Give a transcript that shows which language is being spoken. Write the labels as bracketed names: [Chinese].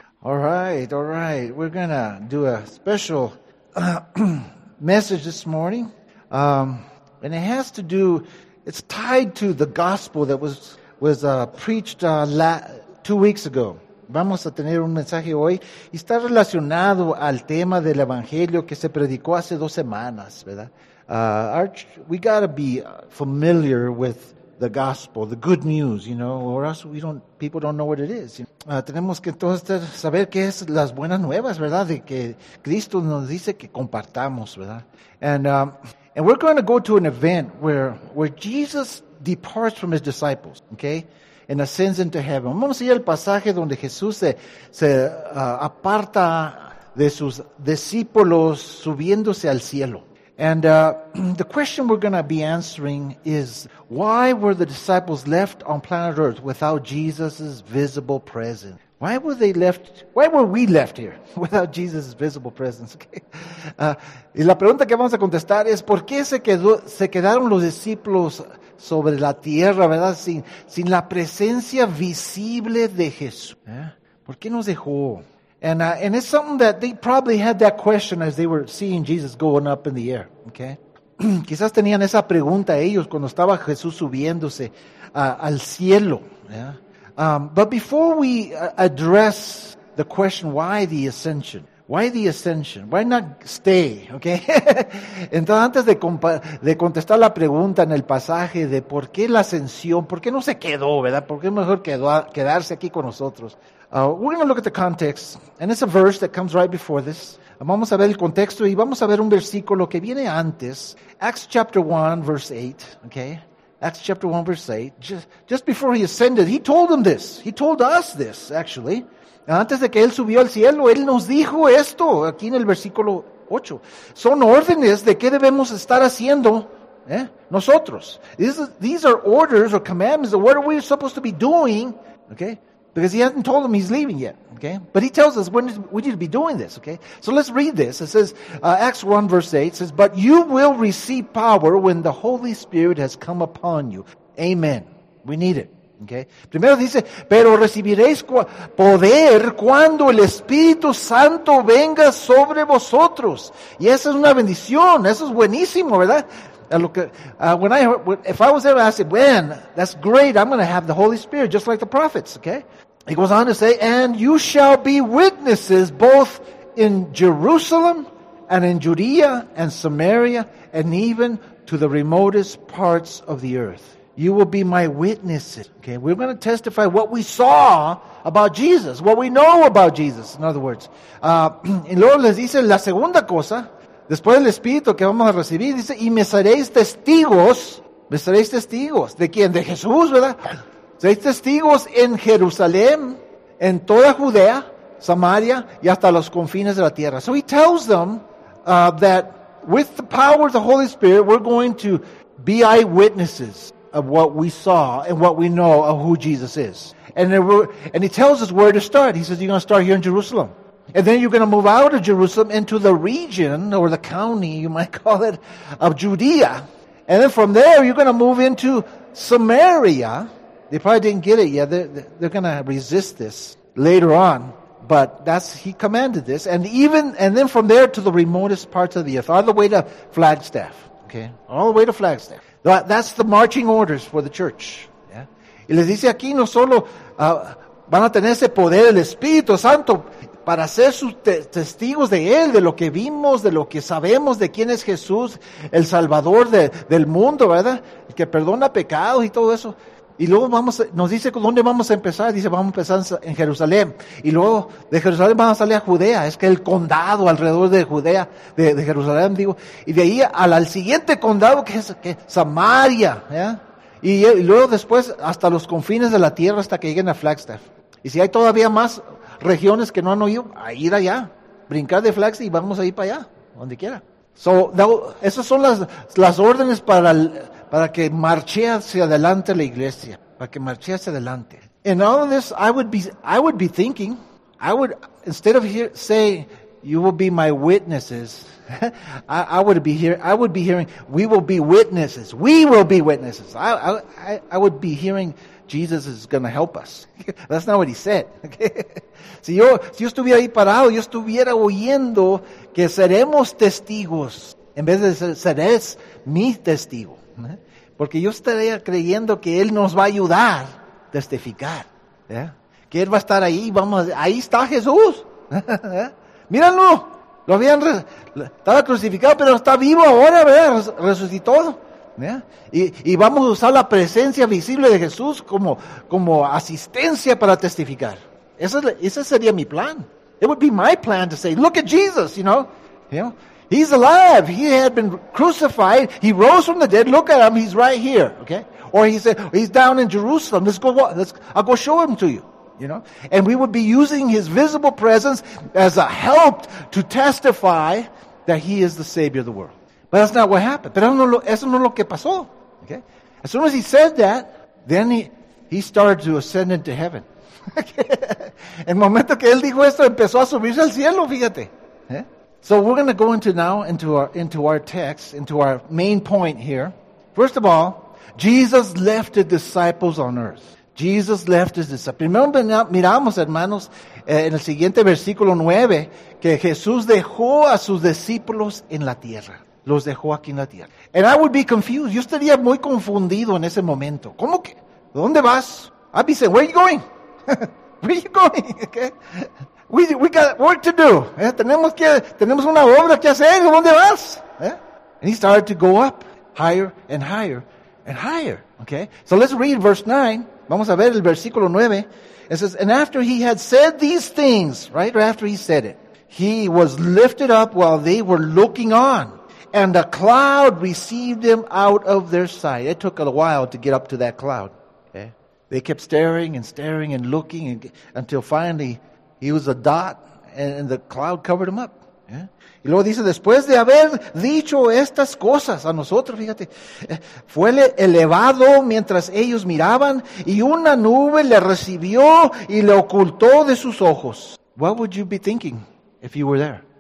[English] All right, we're going to do a special message this morning, and it has to do, it's tied to the gospel that was preached 2 weeks ago. [Spanish] Vamos a tener un mensaje hoy, y está relacionado al tema del evangelio que se predicó hace dos semanas, ¿verdad? [English] We got to be familiar with the gospel, the good news, you know, or else people don't know what it is. [Spanish] Tenemos que entonces saber qué es las buenas nuevas, ¿verdad? De que Cristo nos dice que compartamos, ¿verdad? [English] And we're going to go to an event where Jesus departs from his disciples, okay, and ascends into heaven. [Spanish] Vamos a ir al pasaje donde Jesús se aparta de sus discípulos subiéndose al cielo. [English] And the question we're going to be answering is, why were the disciples left on planet Earth without Jesus' visible presence? Why were we left here without Jesus' visible presence? Okay. [Spanish] Y la pregunta que vamos a contestar es, ¿por qué se quedaron los discípulos sobre la tierra, verdad, sin la presencia visible de Jesús? ¿Por qué nos dejó? [English] And it's something that they probably had that question as they were seeing Jesus going up in the air. [Spanish] Okay, quizás tenían esa pregunta ellos cuando estaba Jesús subiéndose al cielo. [English] Yeah. But before we address the question, why the ascension? Why not stay? Okay. [Spanish] Entonces, antes de contestar la pregunta en el pasaje de por qué la ascensión, por qué no se quedó, ¿verdad? Por qué mejor quedarse aquí con nosotros. [English] We're going to look at the context, and it's a verse that comes right before this. [Spanish] Vamos a ver el contexto y vamos a ver un versículo que viene antes. [English] Acts chapter 1, verse 8, okay? Acts chapter 1, verse 8. Just before he ascended, he told them this. He told us this, actually. [Spanish] Antes de que él subió al cielo, él nos dijo esto aquí en el versículo 8. Son órdenes de qué debemos estar haciendo, ¿eh? Nosotros. [English] These are orders or commandments of what are we supposed to be doing, okay? Because he hasn't told them he's leaving yet, okay? But he tells us we need to be doing this, okay? So let's read this. It says, Acts 1 verse 8 says, but you will receive power when the Holy Spirit has come upon you. Amen. We need it, okay? Primero dice, pero recibiréis poder cuando el Espíritu Santo venga sobre vosotros. Y esa es una bendición. Eso es buenísimo, ¿verdad? If I was there, I said, man, that's great. I'm going to have the Holy Spirit, just like the prophets, okay? He goes on to say, and you shall be witnesses both in Jerusalem and in Judea and Samaria and even to the remotest parts of the earth. You will be my witnesses, okay? We're going to testify what we saw about Jesus, what we know about Jesus, in other words. [Spanish] Y luego les dice la segunda cosa. Después del Espíritu que vamos a recibir, dice, y me seréis testigos, ¿de quién? De Jesús, ¿verdad? Seréis testigos en Jerusalén, en toda Judea, Samaria, y hasta los confines de la tierra. [English] So he tells them that with the power of the Holy Spirit, we're going to be eyewitnesses of what we saw and what we know of who Jesus is. And he tells us where to start. He says, you're going to start here in Jerusalem. And then you're going to move out of Jerusalem into the region, or the county, you might call it, of Judea. And then from there, you're going to move into Samaria. They probably didn't get it yet. They're going to resist this later on. But he commanded this. And then from there to the remotest parts of the earth, all the way to Flagstaff. Okay? All the way to Flagstaff. That's the marching orders for the church. Yeah? [Spanish] Y les dice aquí no solo van a tener ese poder del Espíritu Santo para ser sus testigos de Él, de lo que vimos, de lo que sabemos, de quién es Jesús, el Salvador del mundo, ¿verdad? El que perdona pecados y todo eso. Y luego nos dice, ¿dónde vamos a empezar? Dice, vamos a empezar en Jerusalén. Y luego de Jerusalén vamos a salir a Judea. Es que el condado alrededor de Judea, de Jerusalén, digo. Y de ahí al siguiente condado, que es Samaria, ¿verdad? Y luego después hasta los confines de la tierra hasta que lleguen a Flagstaff. Y si hay todavía más regiones que no han oído, a ir allá, brincar de flax y vamos a ir para allá, donde quiera. So, esas son las órdenes para que marche hacia adelante la iglesia, para que marche hacia adelante. [English] In all of this, I would be thinking, instead of here say, you will be my witnesses, I would be hearing, we will be witnesses, I would be hearing Jesus is going to help us. That's not what he said. Okay? [Spanish] Si yo estuviera ahí parado, yo estuviera oyendo que seremos testigos en vez de seres mi testigo. Porque yo estaría creyendo que Él nos va a ayudar a testificar. ¿Eh? Que Él va a estar ahí, vamos, ahí está Jesús. Míralo, lo habían, estaba crucificado, pero está vivo ahora, ¿verdad? Resucitó. ¿Eh? Y vamos a usar la presencia visible de Jesús como asistencia para testificar. Ese sería mi plan. [English] It would be my plan to say, look at Jesus, you know. He's alive. He had been crucified. He rose from the dead. Look at him. He's right here. Okay? Or he said, he's down in Jerusalem. I'll go show him to you. You know? And we would be using his visible presence as a help to testify that he is the Savior of the world. But that's not what happened. [Spanish] Pero eso no es lo que pasó. [English] Okay? As soon as he said that, then he started to ascend into heaven. Okay? [Spanish] El momento que él dijo esto, empezó a subirse al cielo, fíjate. [English] So we're going to go into our text, into our main point here. First of all, Jesus left the disciples on earth. Jesus left his disciples. [Spanish] Primero miramos, hermanos, en el siguiente versículo 9, que Jesús dejó a sus discípulos en la tierra. Los dejó aquí en la tierra. [English] And I would be confused. [Spanish] Yo estaría muy confundido en ese momento. ¿Cómo que? ¿Dónde vas? [English] I'd be saying, where are you going? Where are you going? Okay. We got work to do. [Spanish] ¿Eh? Tenemos una obra que hacer. ¿Dónde vas? ¿Eh? [English] And he started to go up higher and higher and higher. Okay. So let's read verse 9. [Spanish] Vamos a ver el versículo 9. [English] It says, and after he had said these things, right after he said it, he was lifted up while they were looking on. And a cloud received him out of their sight. It took a while to get up to that cloud. Okay. They kept staring and staring and looking until finally, he was a dot, and the cloud covered him up. Yeah. [Spanish] Y luego dice, después de haber dicho estas cosas a nosotros, fíjate, fue elevado mientras ellos miraban, y una nube le recibió y le ocultó de sus ojos. [English] What would you be thinking if you were there?